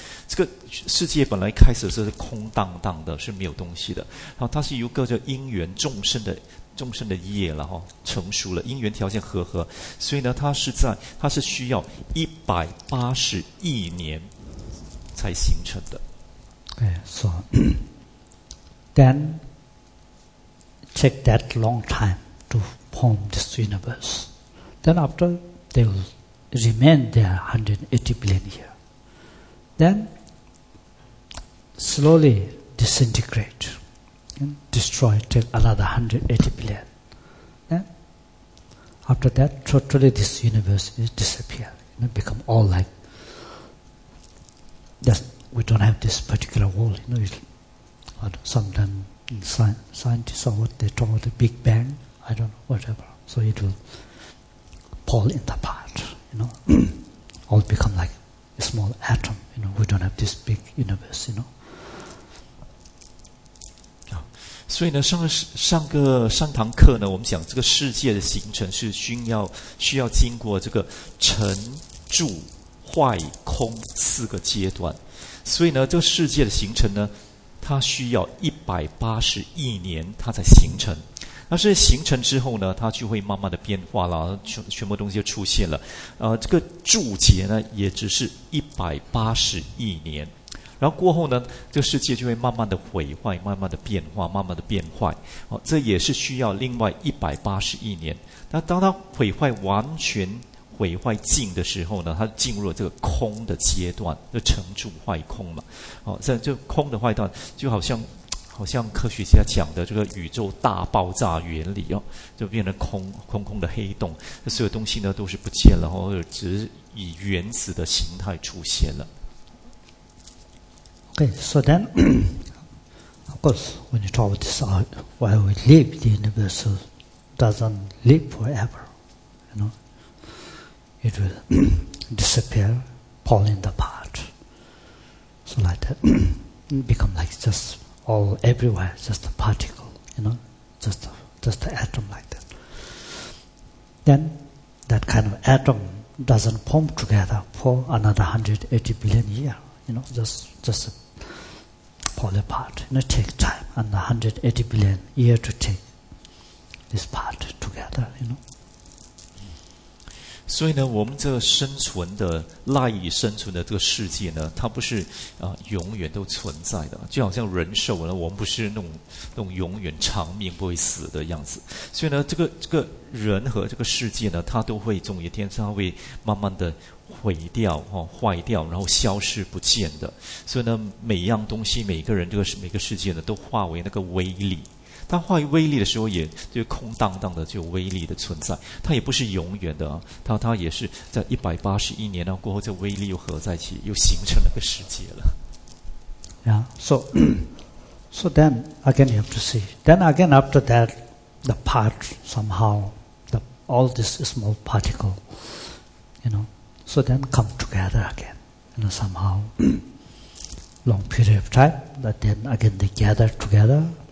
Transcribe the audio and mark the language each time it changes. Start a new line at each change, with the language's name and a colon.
Chinese: 这个世界本来开始是空荡荡的，是没有东西的，然后它是由各种因缘众生的业，然后成熟了因缘条件和，所以呢它是需要180亿年才形成的。
English: Okay, so then take that long time to form this universe. Then after they will remain there 180 billion years. Then. Slowly disintegrate and destroy till another 180 billion. Then, after that, totally this universe is disappear and become all like that. We don't have this particular world, you know. Sometimes scientists or what they talk about the Big Bang, I don't know, whatever. So it will fall in the part, you know, all become like a small atom, you know. We don't have this big universe, you know.
Chinese: 所以呢，上堂课呢，我们讲这个世界的形成是需要经过这个沉、住、坏、空四个阶段。所以呢，这个世界的形成呢，它需要180亿年它才形成。那是形成之后呢，它就会慢慢的变化了，全部东西就出现了。这个住劫呢，也只是180亿年。然后过后呢，这个世界就会慢慢的毁坏，慢慢的变化，慢慢的变坏。哦，这也是需要另外180亿年。那当它毁坏完全毁坏尽的时候呢，它进入了这个空的阶段，就成住坏空嘛。哦，这空的坏段就好像好像科学家讲的这个宇宙大爆炸原理哦，就变成空空的黑洞，所有东西呢都是不见了，然后只以原子的形态出现了。
English: Okay, so then, of course, when you talk about this, while we live, the universe doesn't live forever. You know, it will disappear, falling apart. So like that, become like just. All everywhere, just a particle, you know, just an atom like that. Then that kind of atom doesn't form together for another 180 billion years, you know, just fall apart. You know, take time, and 180 billion years to take this part together, you know.
Chinese: 所以呢，我们这生存的赖以生存的这个世界呢，它不是永远都存在的，就好像人寿呢，我们不是那种永远长命不会死的样子。所以呢，这个人和这个世界呢，它都会总有一天，它会慢慢的毁掉哦，坏掉，然后消失不见的。所以呢，每样东西、每个人、这个每个世界呢，都化为那个微粒。它化为微粒的时候，也就空荡荡的，就有微粒的存在。它也不是永远的，它也是在181年呢过后，这微粒又合在一起，又形成了个世界了。
English: Yeah, so then again you have to see. Then again after that, the part somehow, the all these small particle, you know, so then come together again, you know, somehow. Long period of time, but then again they gather together.